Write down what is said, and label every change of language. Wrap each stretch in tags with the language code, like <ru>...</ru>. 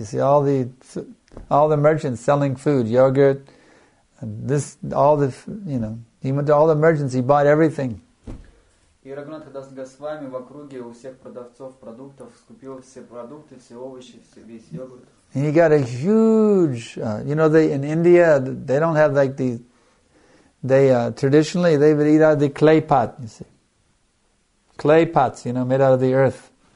<en>You see, all the merchants selling food, yogurt, he went to all the merchants. He bought everything.</en> <ru>И Раганатха Дас Госвами в округе у всех продавцов продуктов скупил все продукты, все овощи, весь йогурт.</ru> <en>And he got a huge, in India, they don't have like these, traditionally, they would eat out of the clay pot, you see. Clay pots, made out of the earth.</en>